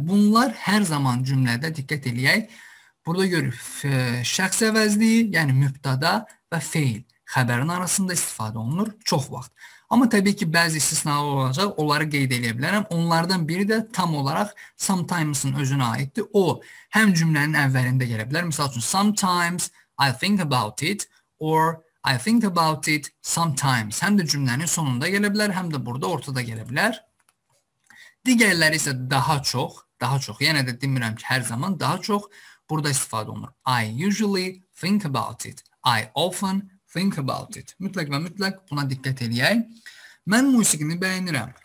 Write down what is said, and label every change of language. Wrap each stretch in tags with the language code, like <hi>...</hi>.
<az>Bunlar hər zaman cümlədə diqqət edək. Burada görürük şəxs əvəzliyi, yəni mübtada və feil. Xəbərin arasında istifadə olunur çox vaxt. Amma təbii ki, bəzi istisnalar olacaq, onları qeyd edə bilərəm. Onlardan biri də tam olaraq sometimes-ın özünə aiddir. O, həm cümlənin əvvəlində gələ bilər. Misal üçün,</az> <en>sometimes I think about it or I think about it sometimes.</en> <az>Həm də cümlənin sonunda gələ bilər, həm də burada ortada gələ bilər. Digərləri isə daha çox, daha çox. Yenə də demirəm ki, hər zaman daha çox burada istifadə olunur.</az> <en>I usually think about it. I often think about it.</en> <az>Mütləq və mütləq buna diqqət edək. Mən musiqini bəyənirəm.</az>